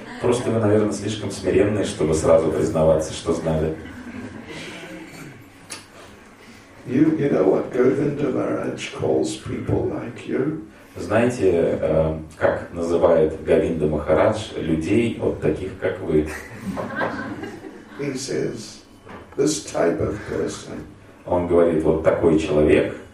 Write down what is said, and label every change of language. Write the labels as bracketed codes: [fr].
[ru] Просто вы, наверное, слишком смиренные, чтобы сразу признаваться, что знали. [en] You know what Govinda Maharaj calls people like you? [ru] Знаете, как называет Говинда Махарадж людей вот таких, как вы? [en] He says, this type of person. [ru] Он говорит, вот такой человек.